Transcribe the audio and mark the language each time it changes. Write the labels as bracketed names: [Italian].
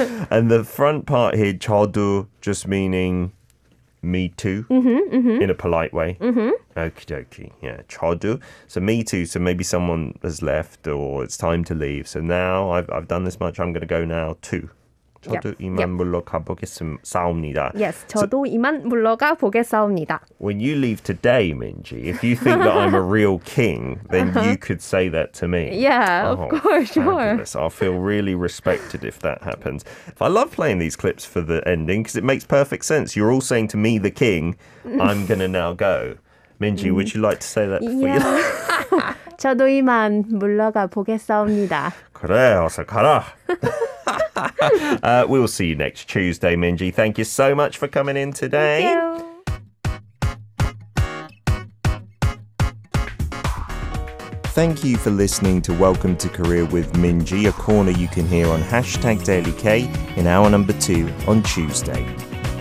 [English] And the front part here, 저도, just meaning me too, in a polite way. Okie dokie, yeah, 저도. So me too, so maybe someone has left or it's time to leave. So now I've done this much, I'm going to go now too. [Korean] 저도 이만 물러가 보겠사옵니다. Yes, 저도 이만 물러가 보겠사옵니다. [English] When you leave today, Minji, if you think that I'm a real king, then you could say that to me. Yeah, of course, sure. I'll feel really respected if that happens. I love playing these clips for the ending because it makes perfect sense. You're all saying to me, the king, I'm going to now go. Minji, would you like to say that before you leave? [Korean] 저도 이만 물러가 보겠사옵니다. 그래, 어서 가라. [English] We'll see you next Tuesday, Minji. Thank you so much for coming in today. Thank you for listening to Welcome to Career with Minji, a corner you can hear on #DailyK in hour number 2 on Tuesday.